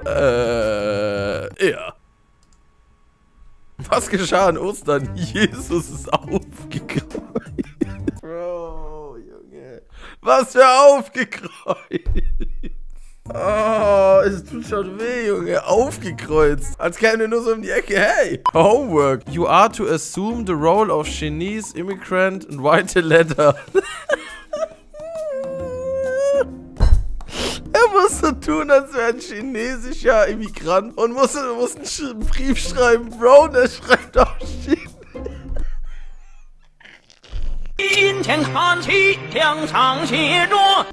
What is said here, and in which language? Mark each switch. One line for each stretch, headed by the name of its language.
German: Ja. Was geschah an Ostern? Jesus ist aufgekreuzt. Bro, Junge. Was für aufgekreuzt. Oh, es tut schon weh, Junge. Aufgekreuzt. Als käme er nur so um die Ecke. Hey.
English: Homework. You are to assume the role of Chinese immigrant and write a letter.
German: Musst du tun, als wäre ein chinesischer Immigrant und musst einen Brief schreiben. Bro, der schreibt auch Chinesisch.